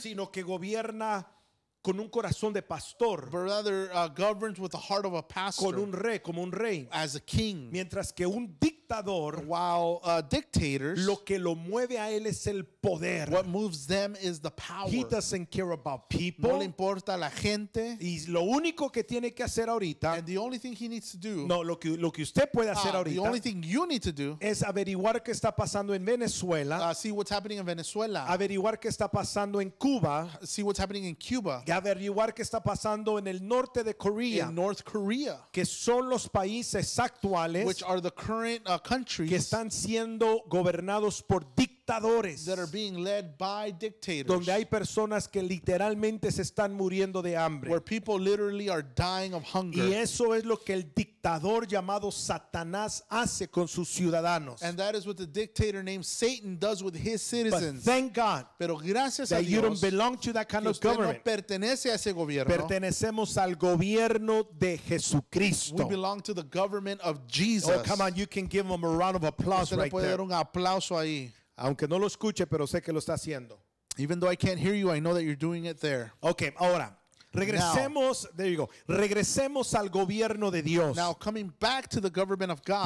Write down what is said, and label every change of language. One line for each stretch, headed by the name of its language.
Spanish: sino que gobierna con un corazón de pastor,
English: but rather governs with the heart of a pastor,
Spanish: con un rey, como un rey,
English: as a king,
Spanish: mientras que un dictador,
English: while dictators,
Spanish: lo que lo mueve a él es el poder,
English: what moves them is the power. He doesn't care about people,
Spanish: no le importa la gente, y lo único que tiene que hacer ahorita,
English: and the only thing he needs to do,
Spanish: no, lo que usted puede hacer ahorita,
English: the only thing you need to do,
Spanish: es averiguar qué está pasando en Venezuela,
English: see what's happening in Venezuela,
Spanish: averiguar qué está pasando en Cuba,
English: see what's happening in Cuba,
Spanish: y averiguar qué está pasando en el norte de Corea,
English: in North Korea,
Spanish: que son los países actuales,
English: which are the current countries,
Spanish: que están siendo gobernados por dictadores,
English: that are being led by dictators,
Spanish: donde hay personas que literalmente se están muriendo de hambre,
English: where people literally are dying of hunger.
Spanish: Y eso es lo que el dictador llamado Satanás hace con sus ciudadanos.
English: And that is what the dictator named Satan does with his citizens. But thank God,
Spanish: pero gracias a Dios,
English: that you don't belong to that kind of government.
Spanish: No pertenece a ese gobierno. Pertenecemos al gobierno de Jesucristo.
English: We belong to the government of Jesus. Oh, come on, you can give him a round of applause right there.
Spanish: Dar un aplauso ahí. Aunque no lo escuche, pero sé que lo está haciendo.
English: Even though I can't hear you, I know that you're doing it there.
Spanish: Okay, ahora. Regresemos,
English: now, there you go.
Spanish: Regresemos al gobierno de Dios.
English: Now coming back to the government of God.